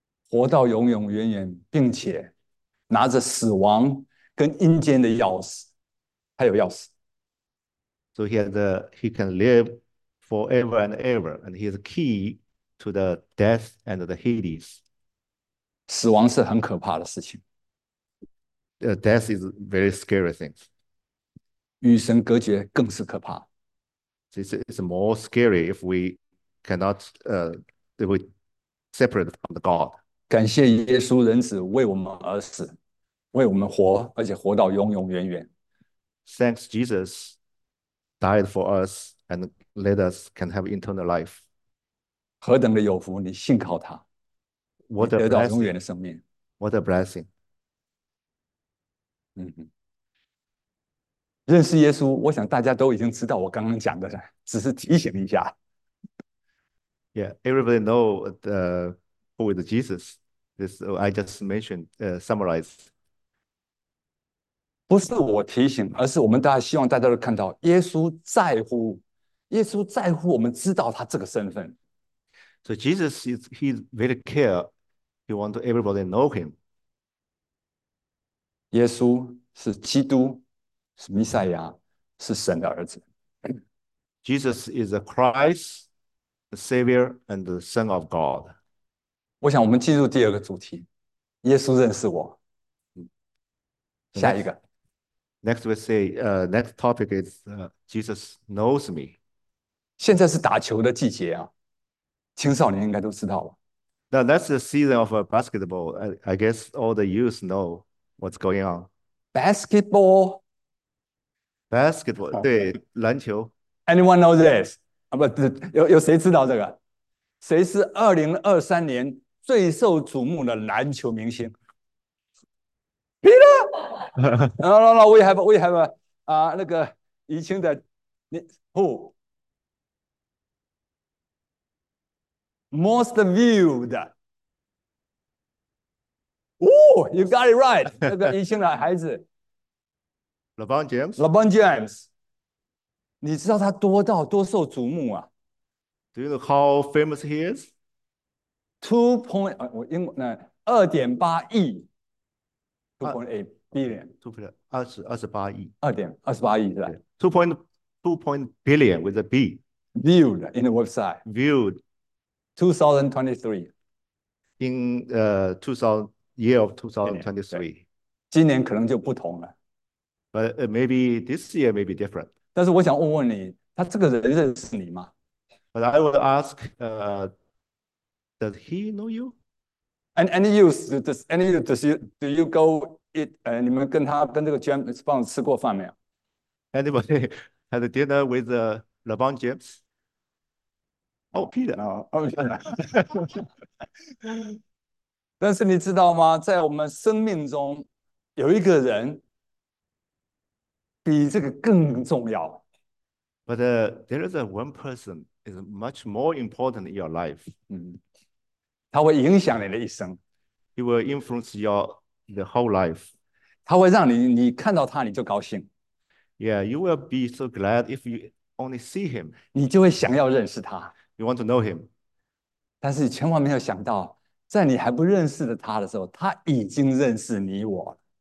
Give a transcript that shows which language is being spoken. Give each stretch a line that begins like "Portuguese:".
Chinese: 活到永永远远，并且拿着死亡跟阴间的钥匙，还有钥匙。
English: So he can live forever and ever, and he is key to the death and the Hades.
Chinese: 死亡是很可怕的事情，
English: Death is very scary thing.
Chinese: 与神隔绝更是可怕。
English: It's more scary if we cannot if we separate from the God.
Chinese: 感谢耶稣，人子为我们而死，为我们活，而且活到永永远远。
English: Thanks, Jesus died for us and let us can have eternal life.
Chinese: 何等的有福，你信靠他，你
English: What a
Chinese: 得到永远的
English: blessing!
Chinese: 生命。
English: What a blessing!
Chinese: 认识耶稣，我想大家都已经知道我刚刚讲的了，只是提醒一下。
English: Yeah, everybody know the who is Jesus. This I just mentioned, summarized.
Chinese: 不是我提醒，而是我们大家希望大家都看到，耶稣在乎，耶稣在乎，我们知道他这个身份。
English: So Jesus is he's very care. He want everybody know him.
Chinese: 耶稣是基督，是弥赛亚，是神的儿子。
English: Jesus is a Christ. The Savior and the Son of God.
Chinese: 我想我们进入第二个主题，耶稣认识我。
English: So
Chinese: 下一个。
English: next we say, next topic is Jesus knows me.
Chinese: 现在是打球的季节啊，青少年应该都知道了。
English: Now that's the season of basketball. I guess all the youth know what's going on. Basketball?
Chinese: Basketball, 对，篮球。
English: Anyone know this?
Chinese: 啊，不，有谁知道这个？谁是2023年最受瞩目的篮球明星？
English: No, we have a
Chinese: 那个怡清的，你
English: who？ Most viewed. Oh, you got it right.
Chinese: 那个怡 清的孩子
English: LeBron James,
Chinese: LeBron James，你知道他多到多受瞩目啊
English: do you know how famous he is? ？ Two point
Chinese: 我英文那2.8亿，
English: 2.8 billion，
Chinese: 28亿， 2.28亿是吧对，
English: 2 billion with a B, ？Viewed in the website. viewed 2023， in year of
Chinese: 今年对，
English: 2023,
Chinese: 今年可能就不同了。
English: but maybe this year may be different.
Chinese: 但是我想问问你，他这个人认识你吗
English: But I would ask, does he know you? do you go eat？
Chinese: 你们跟他跟这个 James Bond 吃过饭没有？
English: Anybody had a dinner with LeBron James? Oh, Peter.
Chinese: 哦，但是你知道吗？在我们生命中，有一个人比这个更重要。
English: But there is a one person is much more important in your life.
Chinese: 他会影响你的一生，
English: He will influence the whole life.
Chinese: 他会让你看到他，你就高兴，
English: Yeah, you will be so glad if you only see him.
Chinese: 你就会想要认识他。
English: You want to know him.
Chinese: 但是千万没有想到，在你还不认识的他的时候，他已经认识你我了。